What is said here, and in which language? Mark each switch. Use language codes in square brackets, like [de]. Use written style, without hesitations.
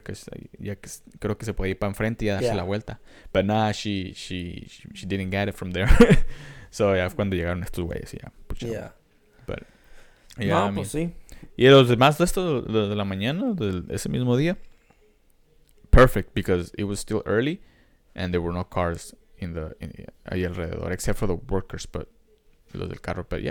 [es] Creo que se puede ir para enfrente y darse la vuelta. [en] But nah, she didn't get it from there. [es] So, ya fue cuando llegaron estos güeyes y ya. Pucho. Sí. Y los demás de esto, de la mañana, de ese mismo día, [en] perfect, because it was still early and there were no cars [es] ahí alrededor, [en] except for the workers, but [es] los del carro.